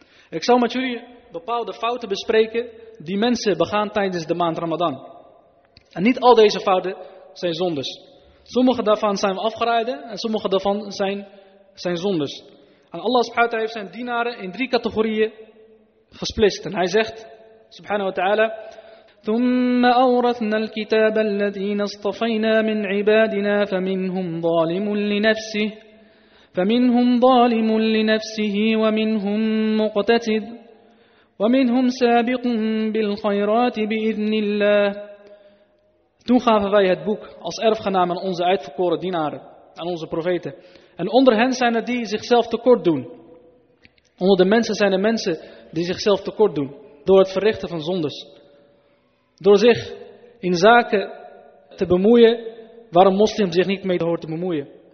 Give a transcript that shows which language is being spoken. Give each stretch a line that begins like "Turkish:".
Dutch: Ik zal met jullie bepaalde fouten bespreken die mensen begaan tijdens de maand Ramadan. En niet al deze fouten zijn zondes. Sommige daarvan zijn afgeraden en sommige daarvan zijn zondes. En Allah subhanahu wa ta'ala heeft zijn dienaren in drie categorieën gesplitst. En hij zegt,
Arabic: subhanahu wa ta'ala, ثُمَّ أَوْرَثْنَا الْكِتَابَ الَّذِينَ اصْطَفَيْنَا مِنْ عِبَادِنَا فَمِنْهُمْ ظَالِمٌ لِنَفْسِهِ فَمِنْهُمْ ظَالِمٌ لِنَفْسِهِ وَمِنْهُمْ مُقْتَتِدٌ وَمِنْهُمْ سَابِقٌ بِالْخَيْرَاتِ بِإِذْنِ اللَّهِ.
Dutch: Toen gaven wij het boek als erfgenaam aan onze uitverkoren dienaren, aan onze profeten. En onder hen zijn er die zichzelf tekort doen. Onder de mensen zijn er mensen die zichzelf tekort doen door het verrichten van zondes. Door zich in zaken te bemoeien waar een moslim zich niet mee hoort te bemoeien.